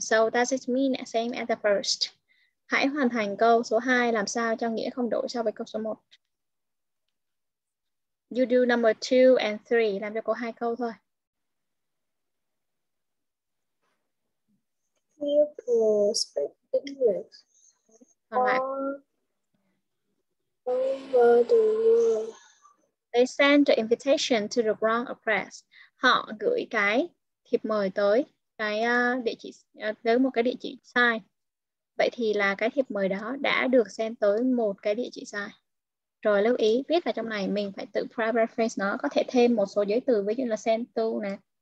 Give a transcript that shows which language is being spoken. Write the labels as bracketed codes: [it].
[en] So does it mean the same as the first? [vi] Hãy hoàn thành câu số 2 làm sao cho nghĩa không đổi so với câu số 1. [en] You do number 2 and 3. [vi] Làm cho câu 2 câu thôi. [en] Pupils speak English all over the world. They send the invitation to the wrong address. [vi] Họ gửi cái thiệp mời tới cái địa chỉ tới một cái địa chỉ sai. Vậy thì là cái thiệp mời đó đã được send tới một cái địa chỉ sai. Rồi lưu ý, viết vào trong này mình phải tự paraphrase nó, có thể thêm một số giới từ ví dụ là send to nè.